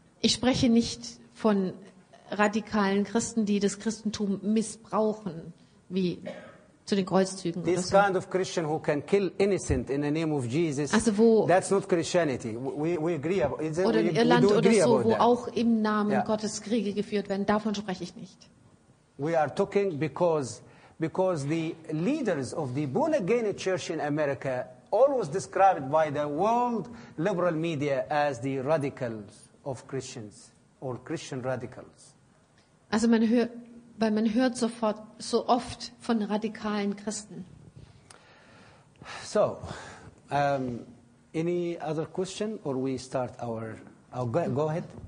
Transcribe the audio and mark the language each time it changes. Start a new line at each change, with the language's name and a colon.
German: Ich spreche nicht von radikalen Christen, die das Christentum missbrauchen, wie zu den Kreuzzügen.
English: This so. Kind of Christian who can kill innocent in the name of Jesus.
German: Also wo,
English: that's not Christianity. We agree about it.
German: Oder in Irland oder so, wo auch im Namen Gottes Kriege geführt werden. Davon spreche ich nicht.
English: We are talking because the leaders of the born again church in America always described by the world liberal media as the radicals of Christians or Christian radicals.
German: Also man hört sofort so oft von radikalen Christen.
English: So any other question or we start our go ahead.